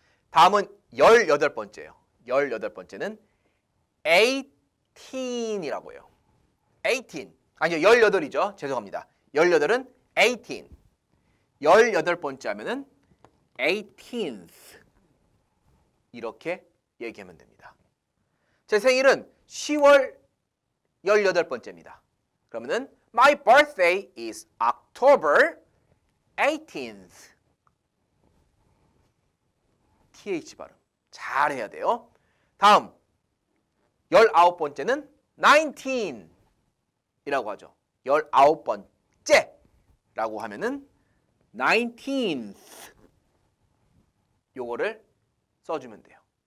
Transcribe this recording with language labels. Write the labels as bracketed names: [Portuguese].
[Korean] 다음은 18번째예요. 18번째는 18이라고요. 18이죠. 죄송합니다. 18은 18. 18번째 하면은 18th 이렇게 얘기하면 됩니다. 제 생일은 10월 18번째입니다. 그러면은 [English] My birthday is October 18th. [Korean] TH 발음 잘해야 돼요. 다음 19번째는 19 이라고 하죠. 19번째 라고 하면은 19th 요거를 써주면 돼요.